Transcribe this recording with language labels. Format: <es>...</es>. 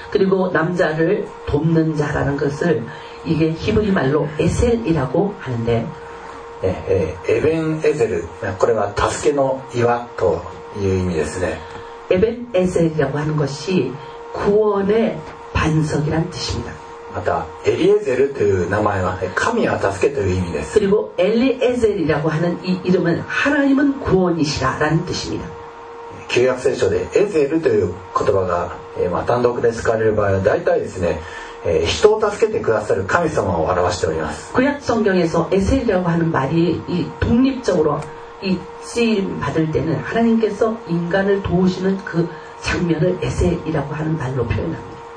<ko>그리고남자를돕는자라는것을이게히브리말로에셀이라고하는데</ko> <ja>에벤에셀これは助けの岩という意味ですね。</ja> <ko>에벤에셀이라고하는것이구원의반석이라는뜻입니다。</ko> <ja>またエリエゼルという名前は神は助けという意味です。</ja> <ko>그리고엘리에셀이라고하는이이름은하나님은구원이시라라는뜻입니다。</ko> <ja>旧約聖書でエゼルという言葉が、まあ、単独で使われる場合は大体ですね、人を助けてくださる神様を表しております。</ja> <ko>구약성경에서에셀이라고하는말이이독립적으로이쓰임받을때는하나님께서인간을도우시는그장면을에셀이라고하는말로표현합니다</ko>